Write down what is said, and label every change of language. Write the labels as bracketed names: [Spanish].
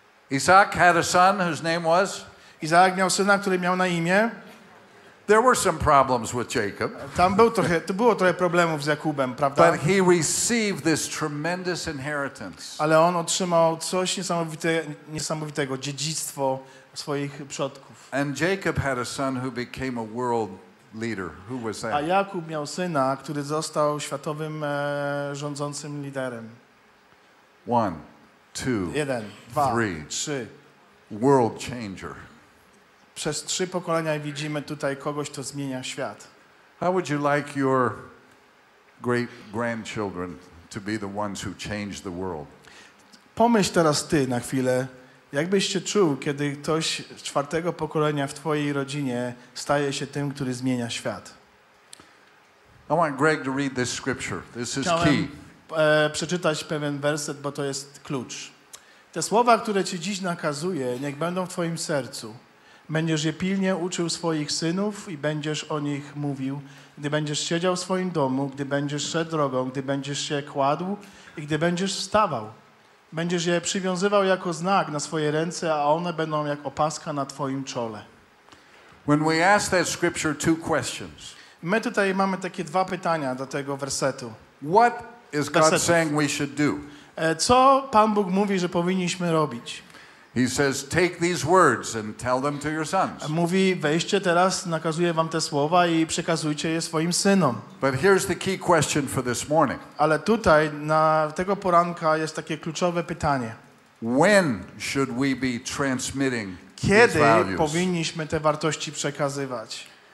[English] Isaac had a son whose name was. [Polish] Isaac miał syna, który miał na imię. [English] There were some problems with Jacob. [Polish] Tam było trochę problemów z Jakubem, prawda? [English] But he received this tremendous inheritance. [Polish] Ale on otrzymał coś niesamowitego, dziedzictwo swoich przodków. [English] And Jacob had a son who became a world leader. Who was that? [Polish] A Jakub miał syna, który został światowym rządzącym liderem. [English] One, two, [Polish] jeden, dwa, [English] three. [Polish] Trzy. [English] World changer. [Polish] Przez trzy pokolenia widzimy tutaj kogoś, kto zmienia świat. [English] How would you like your great grandchildren to be the ones who change the world? [Polish] Pomyśl teraz ty na chwilę, jakbyś się czuł, kiedy ktoś z czwartego pokolenia w twojej rodzinie staje się tym, który zmienia świat. [English] I want Greg to read this scripture. This is key. [Polish] Przeczytać pewien werset, bo to jest klucz. Te słowa, które ci dziś nakazuję, niech będą w twoim sercu. Będziesz je pilnie uczył swoich synów i będziesz o nich mówił, gdy będziesz siedział w swoim domu, gdy będziesz szedł drogą, gdy będziesz się kładł i gdy będziesz wstawał. Będziesz je przywiązywał jako znak na swoje ręce, a one będą jak opaska na twoim czole. [English] When we ask that scripture two questions. [Polish] My tutaj mamy takie dwa pytania do tego wersetu. [English] What is God saying we should do? [Polish] Co Pan Bóg mówi, że powinniśmy robić? [English] He says, take these words and tell them to your sons. [Polish] Mówi, weźcie teraz, nakazuję wam te słowa i przekazujcie je swoim synom. [English] But here's the key question for this morning. [Polish] Ale tutaj, na tego poranka jest takie kluczowe pytanie. [English] When should we be transmitting these values? [Polish] Kiedy powinniśmy te wartości przekazywać?